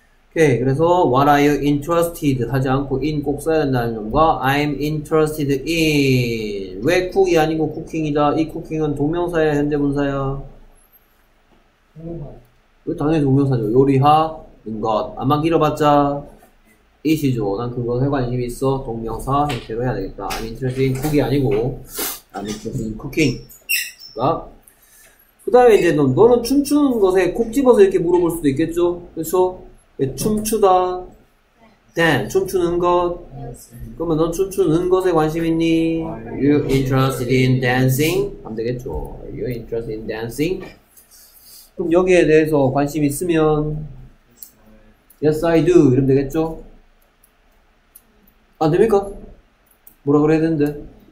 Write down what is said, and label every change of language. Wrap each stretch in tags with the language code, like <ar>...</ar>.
<ko>오케이. 그래서</ko> <en>What are you interested?</en> <ko>하지 않고 in 꼭 써야 된다는 점과</ko> <en>I'm interested in</en> <ko>왜 cook이 아니고 cooking이다? 이 cooking은 동명사야, 현재 분사야? 왜 당연히 동명사죠. 요리하는 것. 아마 길어봤자 이시죠. 난 그것에 관심이 있어. 동명사 형태로 해야 되겠다.</ko> <en>I'm interested in cook</en> <ko>이 아니고</ko> <en>I'm interested in cooking.</en> <ko>그 다음에 이제 너는 춤추는 것에 콕 집어서 이렇게 물어볼 수도 있겠죠? 그렇죠? 춤추다. 댄. 춤추는 것. 그러면 넌 춤추는 것에 관심 있니?</ko> <en>Are you interested in dancing?</en> <ko>하면 되겠죠.</ko> <en>Are you interested in dancing?</en> <ko>그럼 여기에 대해서 관심 있으면</ko> <en>Yes, I do.</en> <ko>이러면 되겠죠? 안 됩니까? 뭐라 그래야 되는데?</ko>